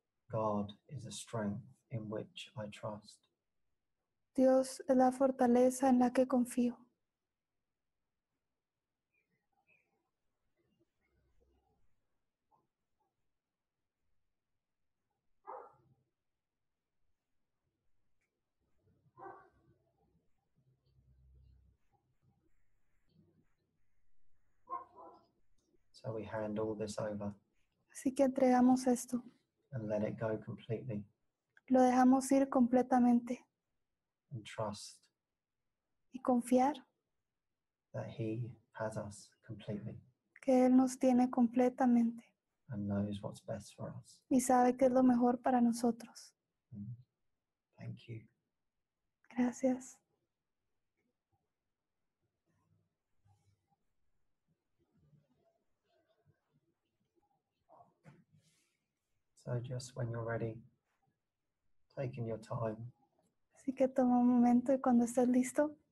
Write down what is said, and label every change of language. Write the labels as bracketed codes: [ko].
[en] God is the strength in which I trust. [es] Dios es la fortaleza en la que confío. [en] So we hand all this over. [es] Así que entregamos esto. [en] And let it go completely. [es] Lo dejamos ir completamente. [en] And trust. [es] Y confiar. [en] That he has us completely. [es] Que él nos tiene completamente. [en] And knows what's best for us. [es] Y sabe qué es lo mejor para nosotros. [en] Thank you. [es] Gracias. [en] So just when you're ready, taking your time. [es] Así que toma un momento y cuando estés listo.